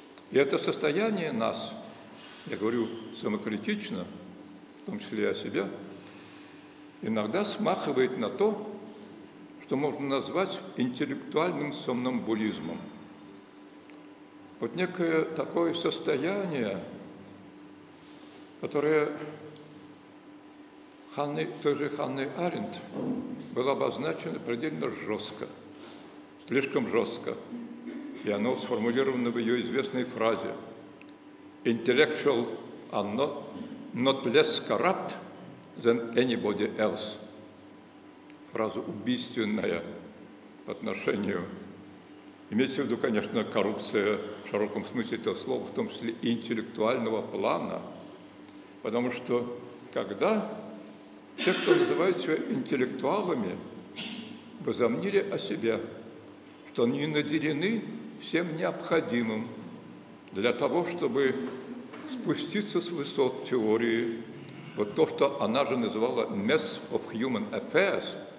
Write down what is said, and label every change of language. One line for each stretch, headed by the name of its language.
Russian: И это состояние нас, я говорю самокритично, в том числе и о себе, иногда смахивает на то, что можно назвать интеллектуальным сомнамбулизмом. Вот некое такое состояние, которое той же Ханной Аренд было обозначено предельно жестко, слишком жестко. И оно сформулировано в ее известной фразе
English: «Intellectual are not less corrupt than anybody else».
Russian: Фраза убийственная по отношению. Имеется в виду, конечно, коррупция в широком смысле этого слова, в том числе интеллектуального плана. Потому что когда те, кто называют себя интеллектуалами, возомнили о себе, что они наделены всем необходимым для того, чтобы спуститься с высот теории, вот то, что она же называла
English: «mess of human affairs»,